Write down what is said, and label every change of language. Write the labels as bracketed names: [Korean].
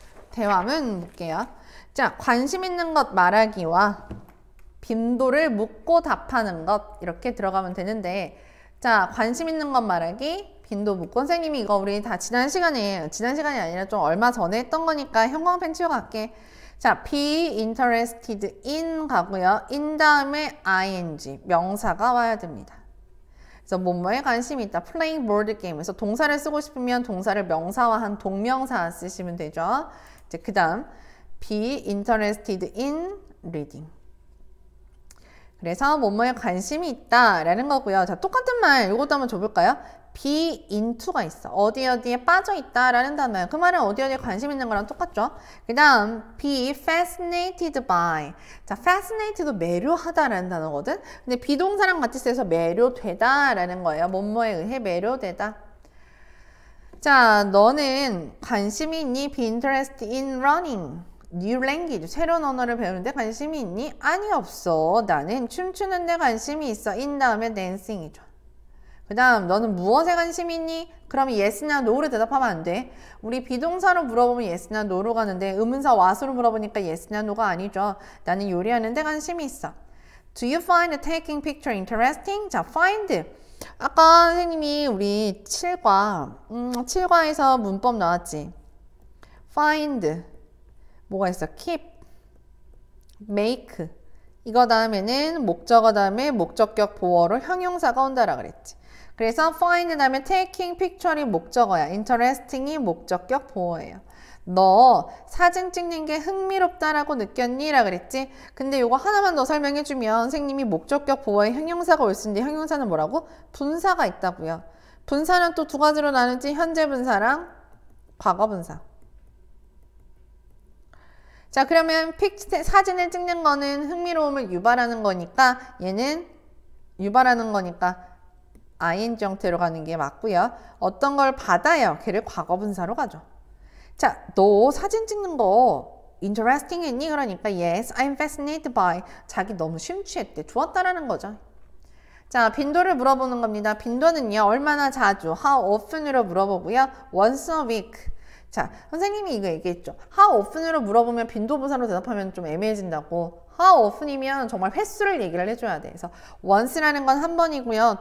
[Korean] 대화문 볼게요. 자, 관심 있는 것 말하기와 빈도를 묻고 답하는 것 이렇게 들어가면 되는데, 자, 관심 있는 것 말하기. 빈도 묻고 선생님이 이거 우리 다 지난 시간이 아니라 좀 얼마 전에 했던 거니까 형광펜 치고 갈게. [English] 자, be interested in [Korean] 가고요. in 다음에 ing 명사가 와야 됩니다. 그래서 뭐뭐에 관심이 있다. playing board game에서 동사를 쓰고 싶으면 동사를 명사화한 동명사 쓰시면 되죠. 이제 그다음 [English] be interested in reading. [Korean] 그래서 뭐뭐에 관심이 있다라는 거고요. 자, 똑같은 말 이것도 한번 줘볼까요? [English] be into가 [Korean] 있어. 어디 어디에 빠져 있다라는 단어예요. 그 말은 어디 어디에 관심 있는 거랑 똑같죠? 그다음 [English] be fascinated by. [Korean] 자, fascinated도 매료하다라는 단어거든. 근데 비동사랑 같이 쓰여서 매료되다라는 거예요. 뭐뭐에 의해 매료되다. 자, 너는 관심이 있니? [English] be interested in running. New language, [Korean] 새로운 언어를 배우는데 관심이 있니? 아니, 없어. 나는 춤추는데 관심이 있어. in 다음에 dancing이죠. 그 다음, 너는 무엇에 관심이 있니? 그러면 yes나 no로 대답하면 안 돼. 우리 비동사로 물어보면 yes나 no로 가는데, 의문사 what으로 물어보니까 yes나 no가 아니죠. 나는 요리하는데 관심이 있어. [English] Do you find taking picture interesting? 자, find. [Korean] 아까 선생님이 우리 7과에서 문법 나왔지. find. 뭐가 있어? keep, make, 이거 다음에는 목적어 다음에 목적격 보어로 형용사가 온다라 그랬지. 그래서 find 다음에 taking picture이 목적어야, interesting이 목적격 보어예요. 너 사진 찍는 게 흥미롭다라고 느꼈니? 라 그랬지? 근데 이거 하나만 더 설명해주면 선생님이 목적격 보어에 형용사가 올 수 있는데 형용사는 뭐라고? 분사가 있다고요. 분사는 또 두 가지로 나누지? 현재 분사랑 과거 분사. 자, 그러면 사진을 찍는 거는 흥미로움을 유발하는 거니까 얘는 유발하는 거니까 ing 형태로 가는 게 맞고요. 어떤 걸 받아요? 걔를 과거 분사로 가죠. 자, 너 사진 찍는 거 interesting 했니? [English] 그러니까 yes, I'm fascinated by. [Korean] 자기 너무 심취했대. 좋았다라는 거죠. 자, 빈도를 물어보는 겁니다. 빈도는요, 얼마나 자주, how often으로 물어보고요. [English] once a week. [Korean] 자, 선생님이 이거 얘기했죠. how often으로 물어보면 빈도 분사로 대답하면 좀 애매해진다고. how often이면 정말 횟수를 얘기를 해줘야 돼. 그래서 once라는 건 한 번이고요.